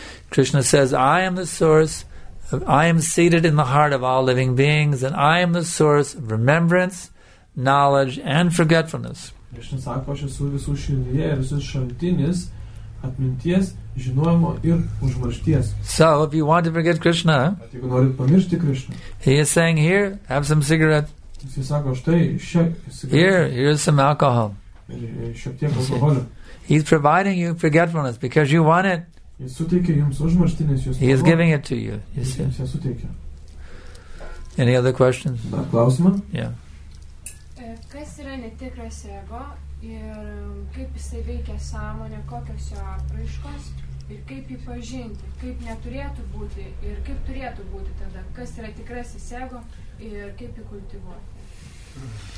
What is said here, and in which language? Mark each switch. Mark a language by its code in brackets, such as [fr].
[en] Krishna says, I am the source, I am seated in the heart of all living beings, and I am the source of remembrance, knowledge, and forgetfulness. [lt] Krishna sako, aš esu visų širdyje ir visus šaltinis atminties, žinojimo ir užmaršties. [en] So, if you want to forget Krishna, [lt] jeigu norit pamiršti Krishna, [en] he is saying, here, have some cigarette. [lt] Jis sako, štai, [en] here is some alcohol. [lt] Šiek tiek alkoholio. [en] He's providing you forgetfulness because you want it. [lt] Jis suteikia jums užmaršti, nes jūs [en] He is giving it to you. [lt] Jis jums ją suteikia. [en] Any other questions? [lt] Dar klausimą? [en] Yeah. [lt] Kas yra netikras ego ir kaip jisai veikia sąmonė, kokios jo apraiškos ir kaip jį pažinti, kaip neturėtų būti ir kaip turėtų būti tada, kas yra tikrasis ego ir kaip jį kultivuoti.